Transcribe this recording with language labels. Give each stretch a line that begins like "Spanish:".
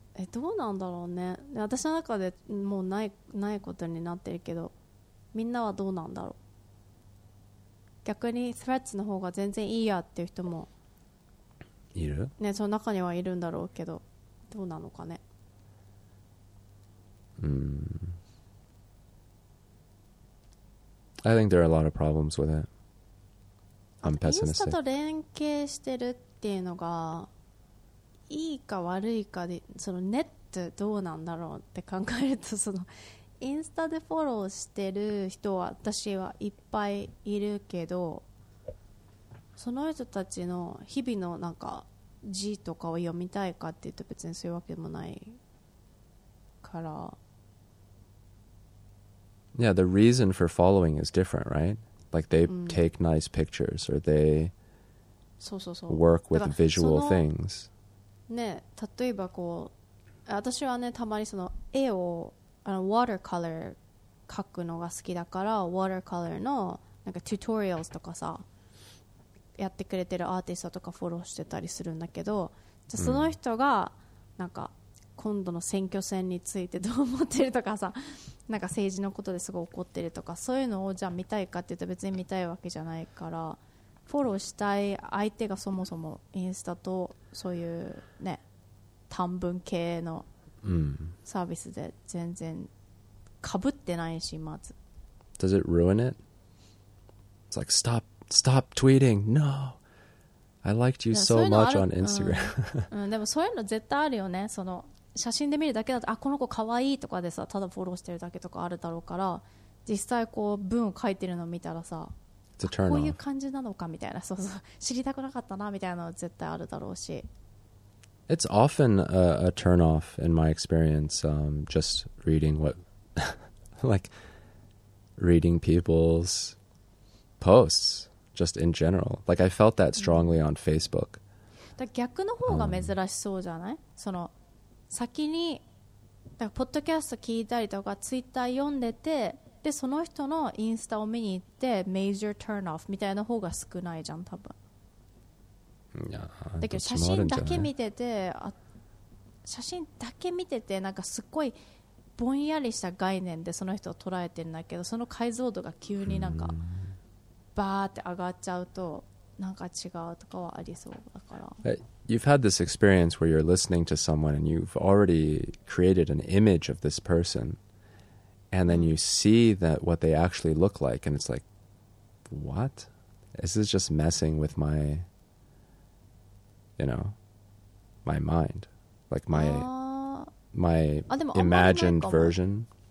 Japanese: どうなんだろうね。私の中でもうないことになってるけど、みんなはどうなんだろう。逆にスレッズの方が全然いいやっていう人もいる、ね、その中にはいるんだろうけど、どうなのかね。
English: I think there are a lot of problems with it. I'm pessimistic.
Japanese: インスタと連携してるっていうのがいいか悪いかで、そのネットどうなんだろうって考えると、そのインスタでフォローしてる人は私はいっぱいいるけど、その人たちの日々のなんか字とかを読みたいかって言うと別にそういうわけでもないから。
English: Yeah, the reason for following is different, right? Like they take nice pictures or they work with visual things.
Japanese: ね、例えばこう、私はね、たまにその絵をあの watercolor 描くのが好きだから、watercolor のなんか tutorials とかさ、やってくれてるアーティストとかフォローしてたりするんだけど、じゃその人がなんか今度の選挙戦についてどう思ってるとかさ、なんか政治のことですごい怒ってるとか、そういうのをじゃあ見たいかって言うと別に見たいわけじゃないから、フォローしたい相手がそもそもインスタとそういうね短文系のサービスで全然かぶってないし、まず
English: Does it ruin it? It's like stop tweeting. No, I liked you so much on Instagram.
Japanese: でもそういうの絶対あるよね。その写真で見るだけだと、あ、この子かわいいとかでさ、ただフォローしてるだけとかあるだろうから、実際こう文を書いてるのを見たらさ、こういう感じなのかみたいな、そうそう、知りたくなかったなみたいなのは絶対あるだろうし。
English: It's often a turn off in my experience, just reading what, like, reading people's posts, just in general. Like, I felt that strongly on Facebook.
Japanese: だ逆の方が珍しそうじゃない、その先にだからポッドキャスト聞いたりとかツイッター読んでて、でその人のインスタを見に行ってメイジャーターンオフみたいな方が少ないじゃん多分。だけど写真だけ見てて、あ、写真だけ見ててなんかすっごいぼんやりした概念でその人を捉えてるんだけど、その解像度が急になんかバーって上がっちゃうとなんか違うとかはありそうだから。
English: You've had this experience where you're listening to someone and you've already created an image of this person, and then you see that what they actually look like, and it's like, what? This is just messing with my, you know, my mind, like my imagined version.